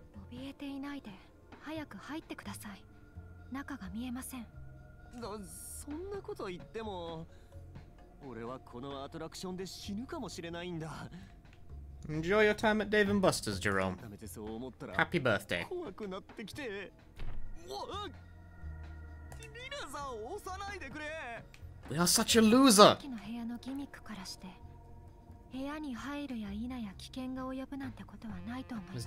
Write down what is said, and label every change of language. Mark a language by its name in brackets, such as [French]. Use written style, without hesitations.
[Japanese] 怯えていないで早く入ってください。中が見えません。そんなこと言っても、俺はこのアトラクションで死ぬかもしれないんだ。 [English] Enjoy your time at Dave and Buster's, Jerome. [Japanese] ダメでそう思ったら、 [English] Happy birthday. [Japanese] 怖くなってきて。リナさん、押さないでくれ。 [English] We are such a loser. [Japanese] さっきの部屋のギミックからして、部屋に入るや否や危険が及ぶなんてことはないと思います。